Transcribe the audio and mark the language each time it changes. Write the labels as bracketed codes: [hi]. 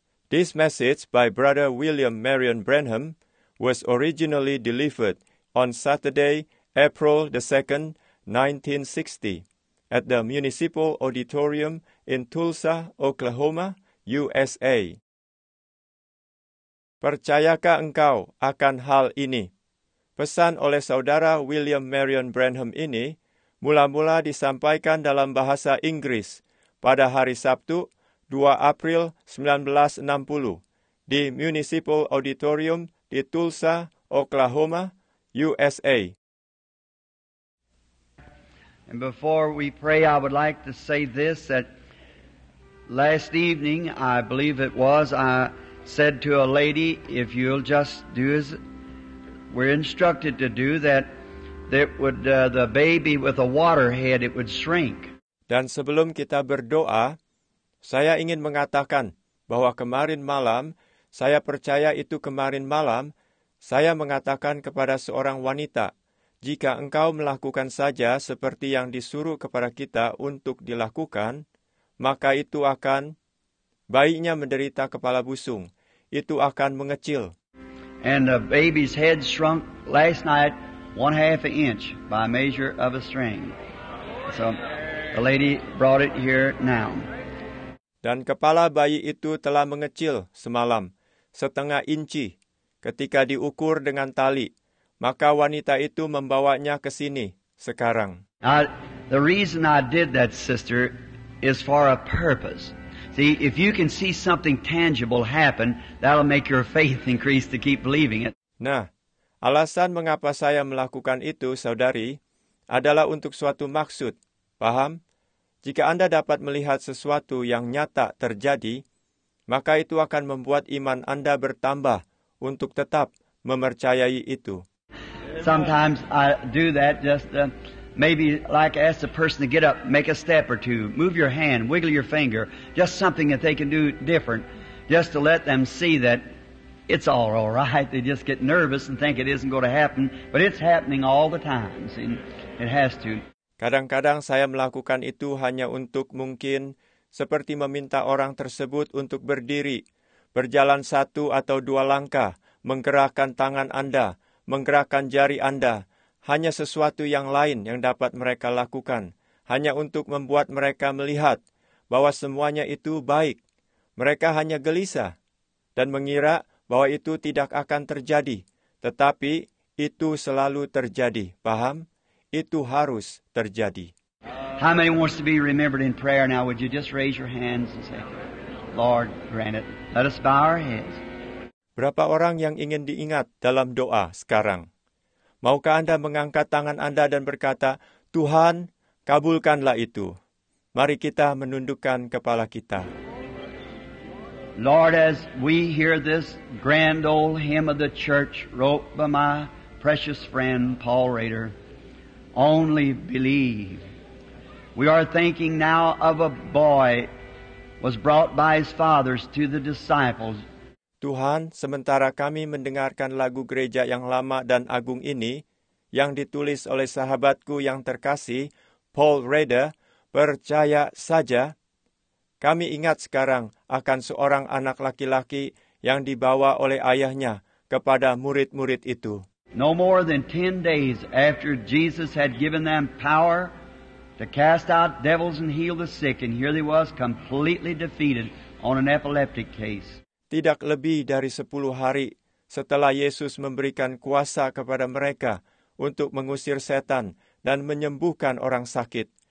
[en] This message by Brother William Marion Branham was originally delivered on Saturday, April the 2nd, 1960, at the Municipal Auditorium in Tulsa, Oklahoma, USA. [id] Percayakah engkau akan hal ini? Pesan oleh Saudara William Marion Branham ini mula-mula disampaikan dalam bahasa Inggris pada hari Sabtu, 2 April 1960, di Municipal Auditorium di Tulsa, Oklahoma, USA. [en] And before we pray, I would like to say this, that last evening, I believe it was, I said to a lady, if you'll just do as we're instructed to do, the baby with a water head, it would shrink. [id] Dan sebelum kita berdoa, saya ingin mengatakan bahwa kemarin malam, saya percaya itu kemarin malam, saya mengatakan kepada seorang wanita, jika engkau melakukan saja seperti yang disuruh kepada kita untuk dilakukan, maka itu akan bayinya menderita kepala busung. Itu akan mengecil. [en] And the baby's head shrunk last night 1/2 inch by measure of a string. So the lady brought it here now. [id] Dan kepala bayi itu telah mengecil semalam 1/2 inci ketika diukur dengan tali. Maka wanita itu membawanya ke sini sekarang. [en] The reason I did that, sister, is for a purpose. See, if you can see something tangible happen, that'll make your faith increase to keep believing it. [id] Nah, alasan mengapa saya melakukan itu, saudari, adalah untuk suatu maksud. Paham? Jika Anda dapat melihat sesuatu yang nyata terjadi, maka itu akan membuat iman Anda bertambah untuk tetap memercayai itu. [en] Sometimes I do that just maybe like ask the person to get up, make a step or two, move your hand, wiggle your finger, just something that they can do different, just to let them see that it's all right. They just get nervous and think it isn't going to happen, but it's happening all the time. See, it has to. [id] Kadang-kadang saya melakukan itu hanya untuk mungkin seperti meminta orang tersebut untuk berdiri, berjalan 1 atau 2 langkah, menggerakkan tangan Anda, menggerakkan jari Anda, hanya sesuatu yang lain yang dapat mereka lakukan, hanya untuk membuat mereka melihat bahwa semuanya itu baik. Mereka hanya gelisah dan mengira bahwa itu tidak akan terjadi, tetapi itu selalu terjadi, paham? Itu harus terjadi. [en] How many wants to be remembered in prayer now? Would you just raise your hands and say, Lord, grant it. Let us bow our heads. [id] Berapa orang yang ingin diingat dalam doa sekarang? Maukah Anda mengangkat tangan Anda dan berkata, Tuhan, kabulkanlah itu. Mari kita menundukkan kepala kita. [en] Lord, as we hear this grand old hymn of the church wrote by my precious friend Paul Rader, only believe. We are thinking now of a boy was brought by his fathers to the disciples. [id] Tuhan, sementara kami mendengarkan lagu gereja yang lama dan agung ini, yang ditulis oleh sahabatku yang terkasih, Paul Rader, percaya saja, kami ingat sekarang akan seorang anak laki-laki yang dibawa oleh ayahnya kepada murid-murid itu. [en] No more than 10 days after Jesus had given them power to cast out devils and heal the sick, and here they was completely defeated on an epileptic case. [id] Tidak lebih dari 10 hari setelah Yesus memberikan kuasa kepada mereka untuk mengusir setan dan menyembuhkan orang sakit.